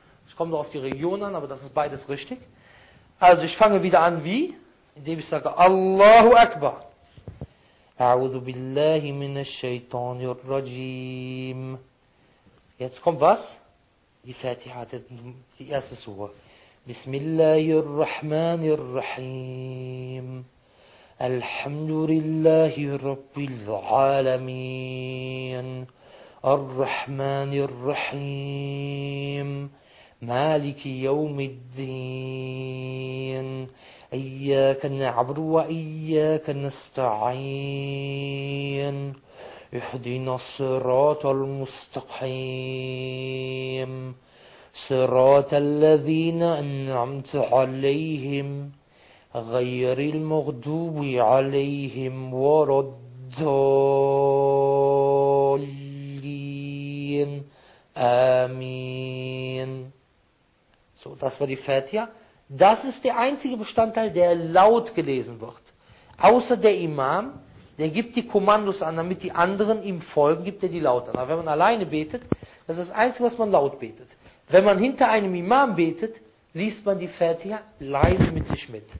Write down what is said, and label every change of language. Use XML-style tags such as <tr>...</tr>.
<de>Es kommt auch auf die Region an, aber das ist beides richtig. Also ich fange wieder an, wie? Indem ich sage,</de> <ar>Allahu Akbar. A'udhu billahi minash shaitanir rajim.</ar> <de>Jetzt kommt was? Die Fatiha, die erste Sura.</de> <ar>Bismillahir Rahmanir Rahim. الحمد لله رب العالمين الرحمن الرحيم مالك يوم الدين إياك نعبد وإياك نستعين اهدنا الصراط المستقيم صراط الذين أنعمت عليهم غير المغضوب عليهم ولا الضالين آمين.</ar> <de>So, das war die Fatiha. Das ist der einzige Bestandteil, der laut gelesen wird. Außer der Imam, der gibt die Kommandos an, damit die anderen ihm folgen, gibt er die laut an. Aber wenn man alleine betet, das ist das Einzige, was man laut betet. Wenn man hinter einem Imam betet, liest man die Fatiha leise mit sich mit.</de>